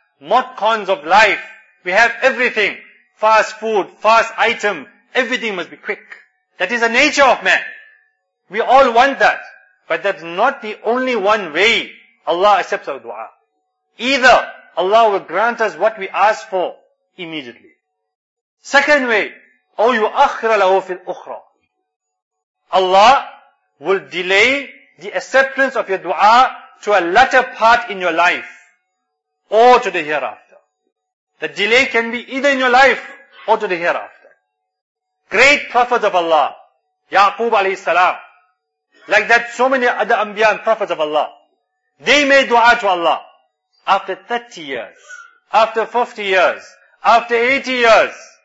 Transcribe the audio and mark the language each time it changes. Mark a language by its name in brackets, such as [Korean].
[English] Not cons of life. We have everything. Fast food, fast item. Everything must be quick. That is the nature of man. We all want that. But that's not the only one way Allah accepts our dua. Either Allah will grant us what we ask for immediately. Second way, [Arabic] أَوْ يُؤَخْرَ لَهُ فِي الْأُخْرَى. [English] Allah will delay the acceptance of your dua to a latter part in your life or to the hereafter. The delay can be either in your life or to the hereafter. Great prophets of Allah, Yaqub alayhi salam, like that so many other Anbiya and prophets of Allah, they made dua to Allah after 30 years, after 50 years, after 80 years.